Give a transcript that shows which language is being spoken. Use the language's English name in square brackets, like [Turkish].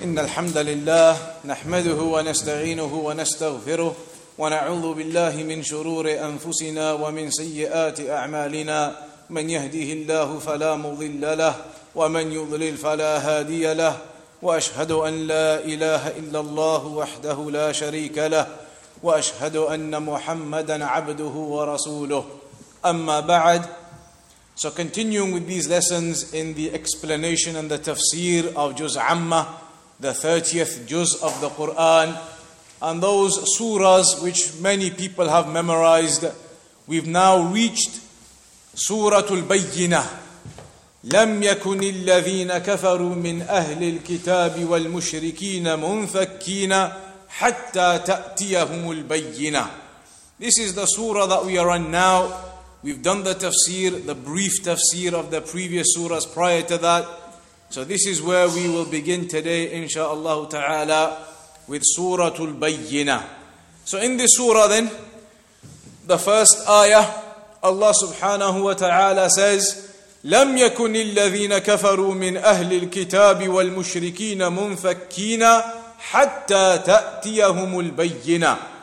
[Arabic] إن الحمد لله نحمده ونستعينه ونستغفره ونعوذ بالله من شرور أنفسنا ومن سيئات أعمالنا، من يهده الله فلا مضل له ومن يضلل فلا هادي له، وأشهد أن لا إله إلا الله وحده لا شريك له، وأشهد أن محمدًا عبده ورسوله. أما بعد، [English] so continuing with these lessons in the explanation and the tafsir of Juz Amma, the 30th juz of the Quran, and those surahs which many people have memorized, we've now reached Suratul Bayyinah. [Arabic] لم يكن الذين كفروا من أهل الكتاب والمشركين منفكين حتى تأتيهم البينة. [English] This is the surah that we are on now. We've done the tafsir, the brief tafsir of the previous surahs prior to that. So this is where we will begin today, insha'Allah ta'ala, with Suratul Bayyinah. So in this surah then, the first ayah, Allah subhanahu wa ta'ala says, [Arabic] لَمْ يَكُنِ الَّذِينَ كَفَرُوا مِنْ أَهْلِ الْكِتَابِ وَالْمُشْرِكِينَ مُنْفَكِّينَ حَتَّى تَأْتِيَهُمُ الْبَيِّنَةِ.